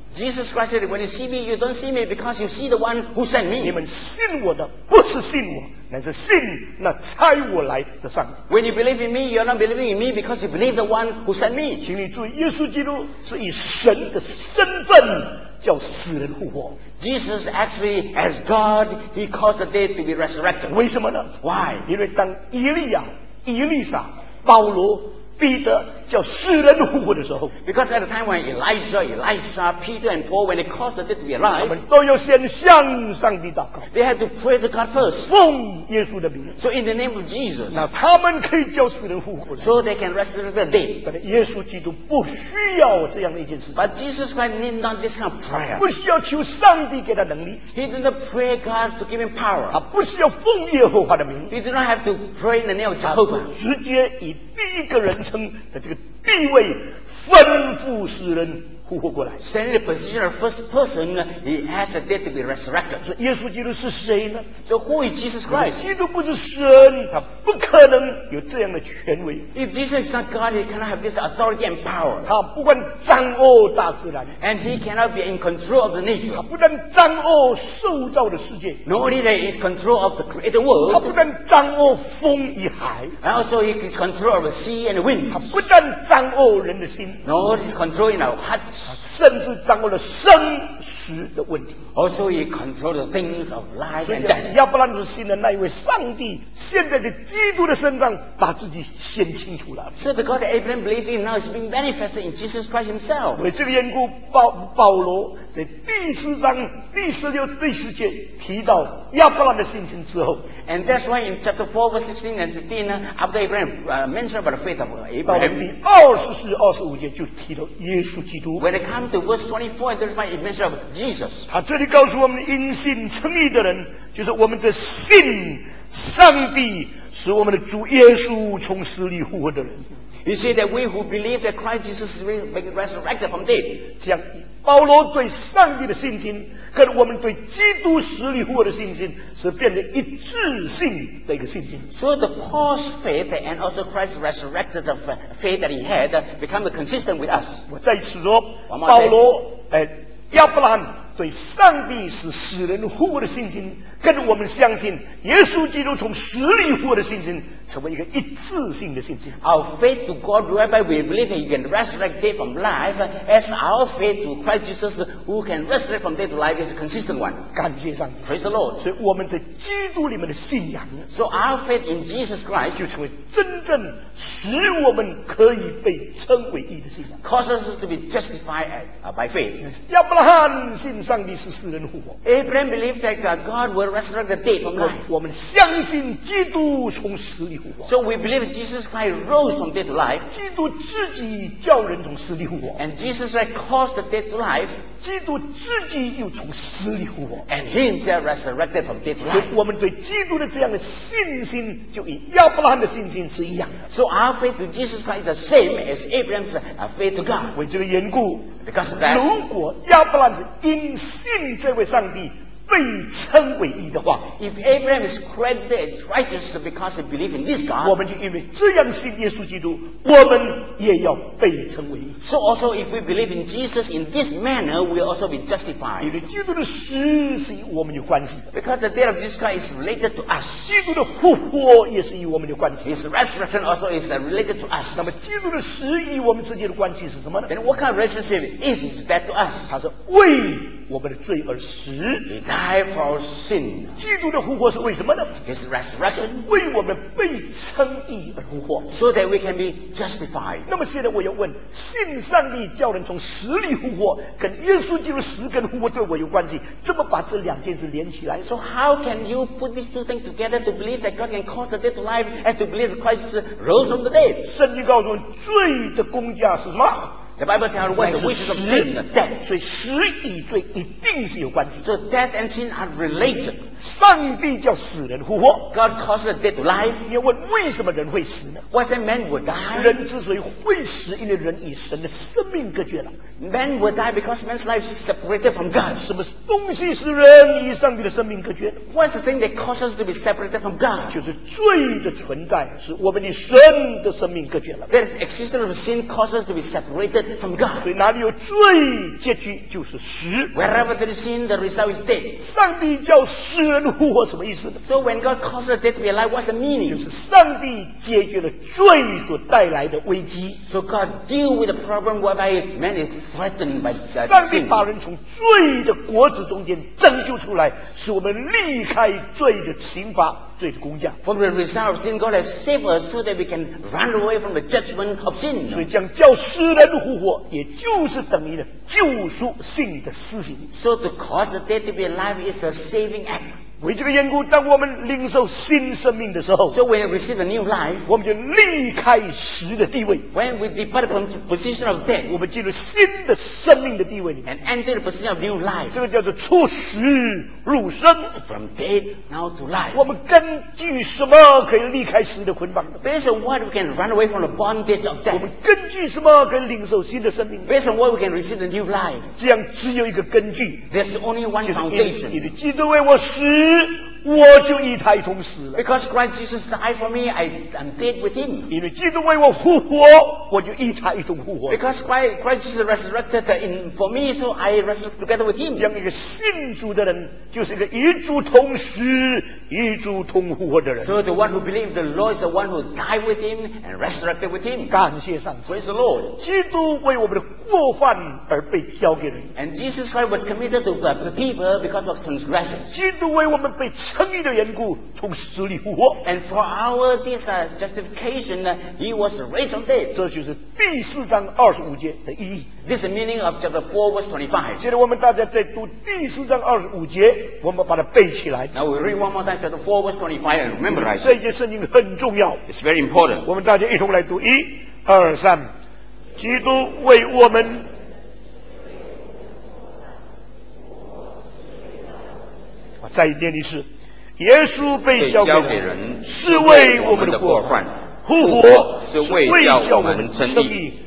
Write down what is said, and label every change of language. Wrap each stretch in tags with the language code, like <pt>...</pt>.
<en>Jesus Christ said, when you see me, you don't see me because you see the one who sent me.</en> <zh>你们信我的不是信我，乃是信那差我来的上帝。</zh> <en>When you believe in me, you're not believing in me because you believe the one who sent me.</en> <zh>请你注意，耶稣基督是以神的身份叫死人复活。</zh> <en>Jesus actually, as God, he caused the dead to be resurrected.</en> <zh>为什么呢？</zh> <en>Why?</en> <zh>因为当以利亚、以利沙、保罗、彼得叫死人复活的时候，</zh> <en>because at the time when Elijah, Elisha, Peter and Paul, when they caused the dead to be alive,</en> <zh>他们都要先向上帝祷告。</zh> <en>They had to pray to God first.</en> <zh>奉耶稣的名。</zh> <en>So in the name of Jesus.</en> <zh>那他们可以叫死人复活。</zh> <en>So they can resurrect the dead.</en> <zh>但耶稣基督不需要这样的一件事。</zh> <en>But Jesus Christ needed not this kind of prayer.</en> <zh>不需要求上帝给他能力。</zh> <en>He did not pray God to give him power.</en> <zh>他不需要奉耶和华的名。</zh> <en>He did not have to pray in the name of Jehovah.</en> <zh>直接以第一个人称的这个地位吩咐死人复活过来。</zh> <en>Standing in the position of first person, he has a dead to be resurrected.</en> <zh>所以耶稣基督是谁呢？</zh> <en>So who is Jesus Christ?</en> <zh>基督不是神，他不可能有这样的权威。</zh> <en>If Jesus is not God, he cannot have this authority and power.</en> <zh>他不但掌握大自然，</zh> <en>and he cannot be in control of the nature.</en> <zh>他不但掌握受造的世界，</zh> <en>nor only that he is control of the created world.</en> <zh>他不但掌握风与海，</zh> <en>and also he is control of the sea and the wind.</en> <zh>他不但掌握人的心，</zh> <en>nor he is controlling our heart.</en> <zh>甚至掌握了生死的问题。</zh> <en>Also, he controls the things of life and death.</en> <zh>亚伯拉罕信的那一位上帝，现在在基督的身上把自己显清楚了。</zh> <en>So the God that Abraham believed in now is being manifested in Jesus Christ Himself.</en> <zh>为这个缘故，保罗在第四章第十六、第十节提到亚伯拉罕的信心之后。</zh> <en>And that's why in chapter 4, verse 16 and 15, after Abraham mentioned about the faith of Abraham,</en> <zh>24-25就提到耶稣基督。</zh> <en>When it comes to verse 24 and 35, it mentions about Jesus.</en> <zh>他这里告诉我们，因信称义的人，就是我们这信上帝使我们的主耶稣从死里复活的人。</zh> <en>You see that we who believe that Christ Jesus was resurrected from dead.</en> <zh>这样，保罗对上帝的信心跟我们对基督死里复活的信心是变得一致性的一个信心。</zh> <en>So the Paul's faith and also Christ resurrected the faith that he had become consistent with us.</en> <zh>我再次说，保罗，亚伯拉罕对上帝使死人复活的信心，跟我们相信耶稣基督从死里复活的信心，成为一个一致性的信心。</zh> <en>Our faith to God, whereby we believe He can resurrect death from life, as our faith to Christ Jesus, who can resurrect from death to life, is a consistent one.</en> <zh>感谢上帝。</zh> <en>Praise the Lord.</en> <zh>所以我们在基督里面的信仰，</zh> <en>so our faith in Jesus Christ,</en> <zh>就成为真正使我们可以被称为义的信仰。</zh> <en>Causes us to be justified by faith.</en> <zh>亚伯拉罕信上帝是死人复活。</zh> <en>Abraham believed that God will resurrect the dead from life.</en> <zh>我们相信基督从死。</zh> <en>So we believe Jesus Christ rose from dead to life.</en> <zh>基督自己叫人从死里复活。</zh> <en>And Jesus Christ caused the dead to life.</en> <zh>基督自己又从死里复活。</zh> <en>And He Himself resurrected from dead to life.</en> <zh>我们对基督的这样的信心，就与亚伯拉罕的信心是一样。</zh> <en>So our faith to Jesus Christ is the same as Abraham's faith to God.</en> <zh>为这个缘故，</zh> <en>because of that,</en> <zh>如果亚伯拉罕是因信这位上帝被称为义的话，</zh> <en>If Abraham is credited righteous because he believed in this God,</en> <zh>我们就因为这样信耶稣基督，我们也要被称为义。</zh> <en>So also if we believe in Jesus in this manner, we will also be justified.</en> <zh>因为基督的死是与我们有关系的，</zh> <en>because the death of Jesus Christ is related to us.</en> <zh>基督的复活也是与我们有关系，</zh> <en>His resurrection also is related to us.</en> <zh>那么基督的死与我们之间的关系是什么呢？</zh> <en>Then what kind of relationship is that to us?</en> <zh>他说为我们的罪而死。</zh> <en>Die for our sin.</en> <zh>基督的复活是为什么呢？</zh> <en>His resurrection.</en> <zh>为我们被称义而复活。</zh> <en>So that we can be justified.</en> <zh>那么现在我要问，信上帝叫人从死里复活，跟耶稣基督死跟复活对我有关系，怎么把这两件事连起来？</zh> <en>So how can you put these two things together to believe that God can cause the dead to life and to believe Christ rose from the dead?</en> <zh>圣经告诉我们，罪的工价是什么？</zh> <en>The Bible tells us what's the wages of sin, death.</en> <zh>所以死与罪一定是有关系。</zh> <en>So death and sin are related.</en> <zh>上帝叫死人复活。</zh> <en>God causes the dead to life.</en> <zh>你要问为什么人会死呢？</zh> <en>What's that man will die?</en> <zh>人之所以会死，因为人与神的生命隔绝了。</zh> <en>Man will die because man's life is separated from God.</en> <zh>什么东西使人与上帝的生命隔绝？</zh> <en>What's the thing that causes to be separated from God?</en> <zh>就是罪的存在使我们与神的生命隔绝了。</zh> <en>That existence of sin causes to be separated from God.</en> <zh>所以哪里有罪，结局就是死。</zh> <en>Wherever there is sin, the result is death.</en> <zh>上帝叫死人复活什么意思呢？</zh> <en>So when God calls the dead to be alive, what's the meaning?</en> <zh>就是上帝解决了罪所带来的危机。</zh> <en>So God deal with the problem whereby man is threatened by sin.</en> <zh>上帝把人从罪的果子中间拯救出来，使我们离开罪的刑罚。</zh> <en>From the result of sin, God has saved us so that we can run away from the judgment of sin.</en> <zh>所以将叫死人复活，也就是等于救赎性的事情。</zh> <en>So to cause the dead to be alive is a saving act.</en> <zh>为这个缘故，当我们领受新生命的时候</zh> <en>，So when we receive a new life,</en> <zh>我们就离开死的地位。</zh> <en>When we depart from the position of death,</en> <zh>我们进入新的生命的地位里面</zh> <en>，and enter the position of new life.</en> <zh>这个叫做出死。入生</zh> <en>from dead now to life.</en> <zh>我们根据什么可以离开死的捆绑</zh> <en>？Based on what we can run away from the bondage of death.</en> <zh>我们根据什么可以领受新的生命</zh> <en>？Based on what we can receive the new life.</en> <zh>这样只有一个根据</zh> <en>，There's only one foundation.</en> <zh>就是因为基督为我死，我就与他一同死了。</zh> <en>Because Christ Jesus died for me, I'm dead with him.</en> <zh>因为基督为我复活，我就与他一同复活。</zh> <en>Because Christ Jesus resurrected in for me, so I resurrect together with him.</en> <zh>这样一个信主的人。就是一个与主同死与主同复活的人</zh> <en>So the one who believes the Lord is the one who died with him and resurrected with him</en> <zh>感谢上帝</zh> <en>Praise the Lord</en> <zh>基督为我们的过犯而被交给人</zh> <en>And Jesus Christ was committed to the people because of transgressions</en> <zh>基督为我们被称义的缘故从死里复活</zh> <en>And for our this justification he was raised from death</en> <zh>这就是第四章二十五节的意义</zh> <en>This is the meaning of chapter 4 verse 25</en> <zh>现在我们大家在读第四章二十五节我们把它背起来。</zh> <en>Now we read one more time, chapter 4, verse 25, and memorize.</en> <zh>这一节圣经很重要。</zh> <en>It's very important.</en> <zh>我们大家一同来读一、二、三。基督为我们。我再念一次。耶稣被交给 人，是为我们的过犯；复活是为叫我们称义。</zh>